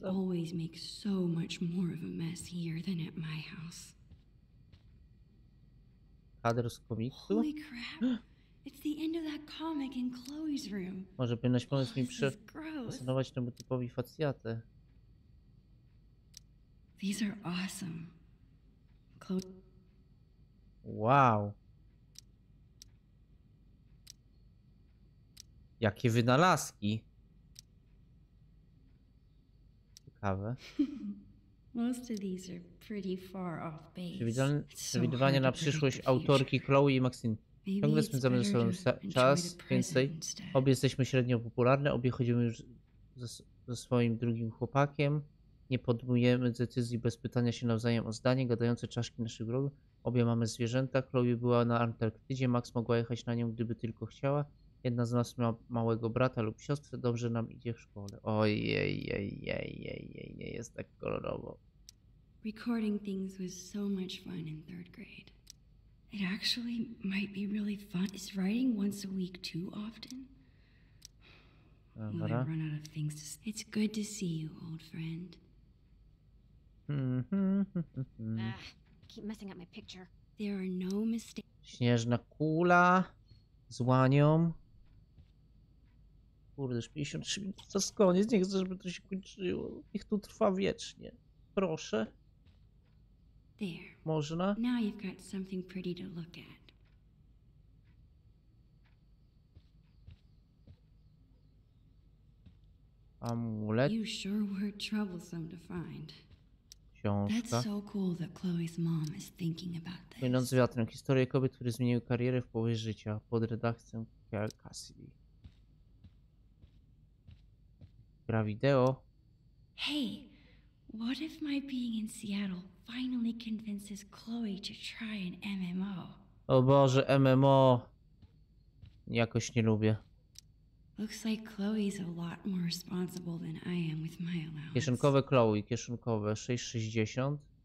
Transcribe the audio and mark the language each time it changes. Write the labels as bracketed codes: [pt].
[en] We always make so much more of a mess here than at my house. [pl] Kadr z komiksu? [en] Holy crap! It's the end of that comic in Chloe's room. [pl] Może powinnaś pomóc mi przefascynować temu typowi facjatę. [en] These are awesome. Wow. [pl] Jakie wynalazki. Ciekawe. [en] Most of these are pretty far off base. [pl] Przewidywania na przyszłość autorki Chloe i Maxine. Ciągle spędzamy ze sobą czas, więcej. Obie jesteśmy średnio popularne, obie chodzimy już ze swoim drugim chłopakiem. Nie podejmujemy decyzji bez pytania się nawzajem o zdanie, gadające czaszki naszych wrogów. Obie mamy zwierzęta, Chloe była na Antarktydzie, Max mogła jechać na nią, gdyby tylko chciała. Jedna z nas ma małego brata lub siostrę, dobrze nam idzie w szkole. Ojej, nie jest tak kolorowo. [en] Recording things was so much fun in third grade. It actually might be really fun. Is writing once a week too often? Well, I've run out of things to say. It's good to see you, old friend. I keep messing up my picture. There are no mistakes. [pl] Śnieżna kula z łanią. Kurde, 53 minuty. To jest koniec. Nie chcę, żeby to się kończyło. Niech tu trwa wiecznie. Proszę. [en] There. [pl] Można? [en] Now you've got something pretty to look at. [pl] Amulet. [en] You sure were troublesome to find. [pl] Książka. [en] That's so cool that Chloe's mom is thinking about this. [pl] Płynąc wiatrem. Historia kobiet, które zmieniły karierę w połowie życia. Pod redakcją Cassidy. Gra wideo. [en] Hey, what if my being in Seattle finally convinces Chloe to try an MMO. [pl] O Boże, MMO. Jakoś nie lubię. [en] Looks like Chloe's a lot more responsible than I am with my allowance. [pl] Kieszonkowe Chloe, kieszonkowe 6,60.